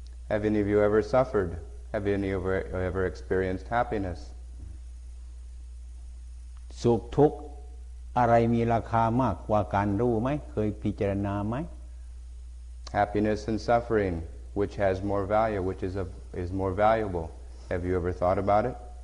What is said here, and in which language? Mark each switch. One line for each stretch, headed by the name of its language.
English: Have any of you ever suffered? Have any of you ever experienced happiness?
Thai: สุขทุกข์อะไรมีราคามากกว่าการรู้ไหมเคยพิจารณาไหม
English: Happiness and suffering, which has more value, which is is more valuable. Have you ever thought about it?